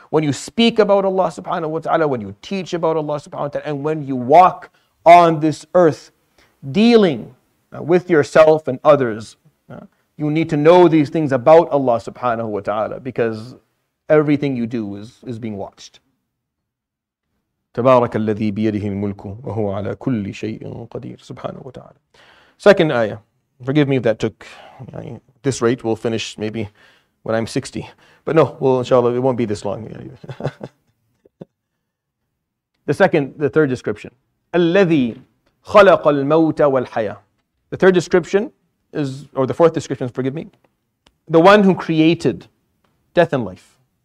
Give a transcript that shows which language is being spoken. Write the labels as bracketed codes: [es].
[en] When you speak about Allah subhanahu wa ta'ala, when you teach about Allah subhanahu wa ta'ala, and when you walk on this earth dealing with yourself and others, you need to know these things about Allah subhanahu wa ta'ala, because everything you do is being watched. [ar] تبارك الذي بيده الملك وهو على كل شيء قدير سبحانه وتعالى. [en] Second ayah. Forgive me if that took this rate. We'll finish maybe when I'm 60. But no, well, inshallah, it won't be this long. the third description. [ar] الذي خلق الموت والحياة. [en] The third description is, or the fourth description, forgive me. The one who created death and life.